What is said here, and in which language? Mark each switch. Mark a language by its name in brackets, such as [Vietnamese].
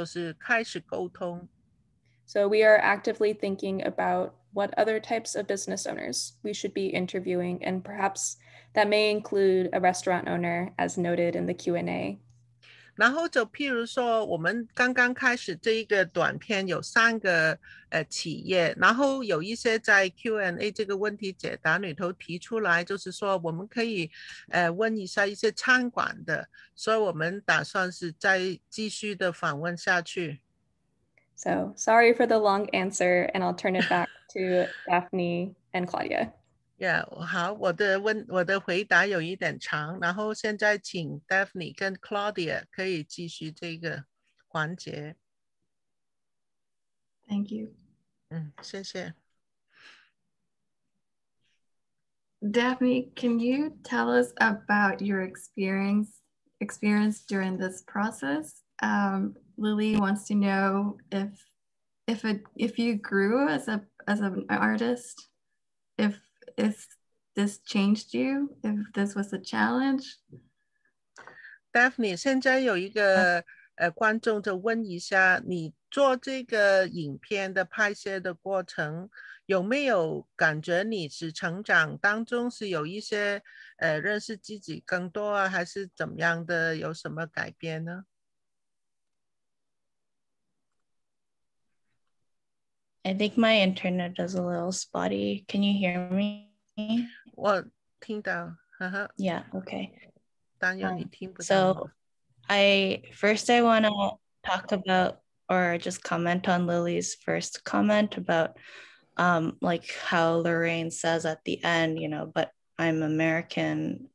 [Chinese] 然后这个我们做这个项目做到现在，其实是刚刚开始，是让大家观众是打开花盒，大家可以就是开始沟通。 [English] So we are actively thinking about what other types of business owners we should be interviewing, and perhaps that may include a restaurant owner, as noted in the Q&A. [Chinese] 然后就譬如说我们刚刚开始这一个短片有三个企业，然后有一些在 Q&A 这个问题解答里头提出来，就是说我们可以问一下一些餐馆的，所以我们打算是再继续的访问下去。 [English] So sorry for the long answer, and I'll turn it back to Daphne and Claudia. [Chinese] Yeah, 好，我的回答有一点长，然后现在请 Daphne 跟 Claudia 可以继续这个环节。 [English] Thank you. [Chinese] 嗯，谢谢。 [English] Daphne, can you tell us about your experience during this process? Lily wants to know if you grew as an artist, if this changed you, if this was a challenge. [Chinese] Daphne, 现在有一个观众就问一下，你做这个影片的拍摄的过程，有没有感觉你是成长当中是有一些认识自己更多啊，还是怎么样的，有什么改变呢？ [English] I think my internet is a little spotty. Can you hear me? [Chinese] 我听到, uh-huh. [English] Yeah, okay. [Chinese] 但有你听不到。 [English] So I want to talk about or just comment on Lily's first comment about like how Lorraine says at the end, you know, but I'm American.